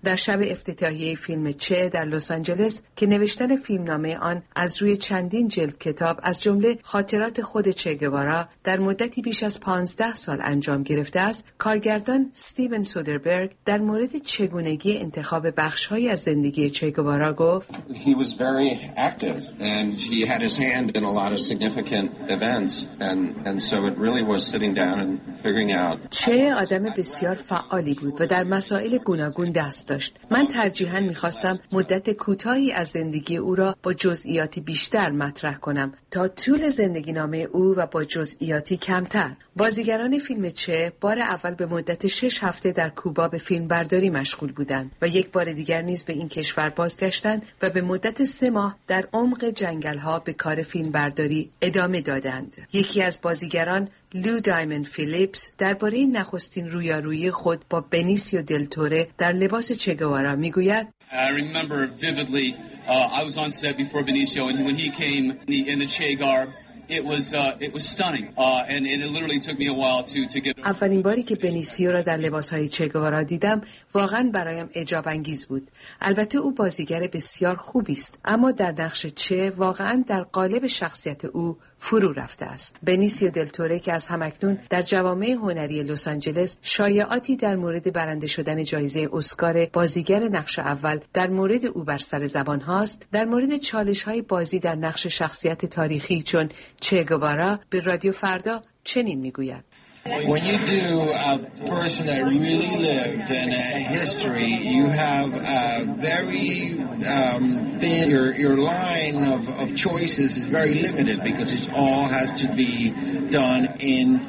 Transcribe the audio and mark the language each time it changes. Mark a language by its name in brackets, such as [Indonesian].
[Persian] در شب افتتاحیه فیلم چه در لس آنجلس که نوشتن فیلمنامه آن از روی چندین جلد کتاب از جمله خاطرات خود چگوارا در مدتی بیش از 15 سال انجام گرفته است، کارگردان استیون سودربرگ در مورد چگونگی انتخاب بخش‌های از زندگی چگوارا گفت: [English] He was very active and he had his hand in a lot of significant events and so it really was sitting down and figuring out. [Persian] چه آدم بسیار فعالی بود و در مسائل گوناگون دست داشت. من ترجیحاً می‌خواستم مدت کوتاهی از زندگی او را با جزئیاتی بیشتر مطرح کنم تا طول زندگی نامه او و با جزئیاتی کمتر. بازیگران فیلم چه بار اول به مدت 6 هفته در کوبا به فیلم برداری مشغول بودند و یک بار دیگر نیز به این کشور بازگشتند و به مدت 3 ماه در عمق جنگل‌ها به کار فیلم برداری ادامه دادند. یکی از بازیگران لو دایموند فیلیپس درباره نخستین رویارویی خود با بنیسیو دل توره در لباس چگوارا میگوید: [English] I remember vividly I was on set before Benicio and when he came in the Che garb. It was stunning and it literally took me a while to get. [Persian] اولین باری که بنیسیو را در لباس‌های چگوارا دیدم واقعا برایم عجاب انگیز بود. البته او بازیگر بسیار خوبی است، اما در نقش چه واقعا در قالب شخصیت او فرو رفته است. بنیسیو دل توره که از همکنون در جوامع هنری لس آنجلس شایعاتی در مورد برنده شدن جایزه اسکار بازیگر نقش اول در مورد او بر سر زبان هاست، در مورد چالش‌های بازی در نقش شخصیت تاریخی چون چگوارا به رادیو فردا چنین میگوید: [English] When you do a person that really lived in a history, you have a very thin, your line of choices is very limited because it all has to be done in